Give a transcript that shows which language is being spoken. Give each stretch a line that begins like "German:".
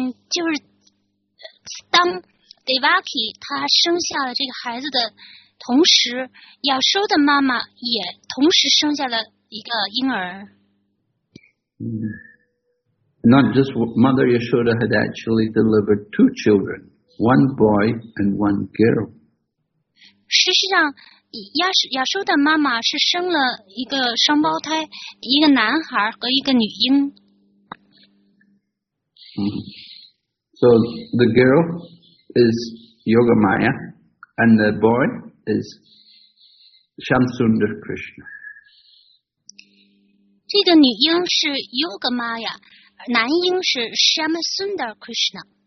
Chinese: 就是当 Devaki 他生下了这个孩子的同时，亚修的妈妈也同时生下了一个婴儿。
English: Not just Mother Yashoda had actually delivered two children, one boy and one girl.
Chinese: 事实上，亚修的妈妈是生了一个双胞胎，一个男孩和一个女婴。
English: So the girl is Yogamaya, and the boy is Shamsundar Krishna.
Chinese: 这个女婴是 Yogamaya。男婴是 Shamsundar Krishna.